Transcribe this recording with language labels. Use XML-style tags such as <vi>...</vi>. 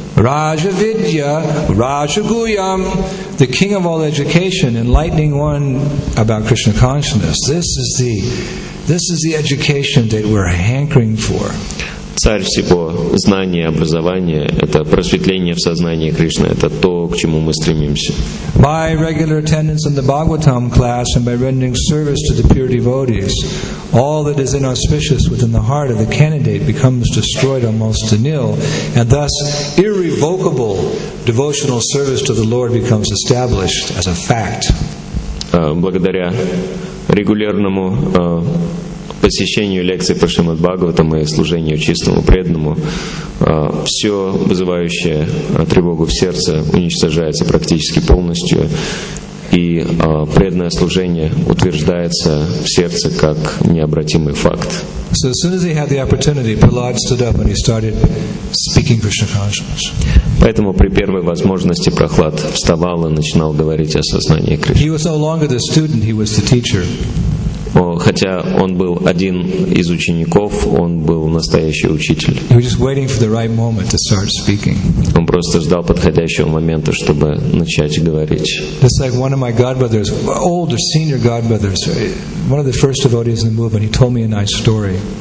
<en>Raja Vidya, Raja Guyam, the king of all education, enlightening one about Krishna consciousness. This is the education that we're hankering for.</en> <ru>Царь всего знания, образования, это просветление в сознании Кришны, это то, к чему мы стремимся.</ru> <en>By regular attendance in the Bhagavatam class and by rendering service to the pure devotees, all that is inauspicious within the heart of the candidate becomes destroyed almost to nil, and thus irrevocable devotional service to the Lord becomes established as a fact.</en> <ru>Благодаря регулярному посещению лекций по Шримад-Бхагаватам и служению чистому преданному, все вызывающее тревогу в сердце уничтожается практически полностью, и преданное служение утверждается в сердце как необратимый факт.</ru> <en>So as soon as he had the opportunity, Prahlad stood up and he started speaking Krishna consciousness.</en> <ru>Поэтому при первой возможности Прохлад вставал и начинал говорить о сознании Кришны.</ru> <en>He was no longer the student, he was the teacher.</en> <ru>Хотя он был один из учеников, он был настоящий учитель.</ru> <en>He was just waiting for the right moment to start speaking.</en> <ru>Он просто ждал подходящего момента, чтобы начать говорить.</ru> <en>Just like one of my godbrothers, older, senior godbrothers, one of the first devotees in the movement, he told me a nice story.</en>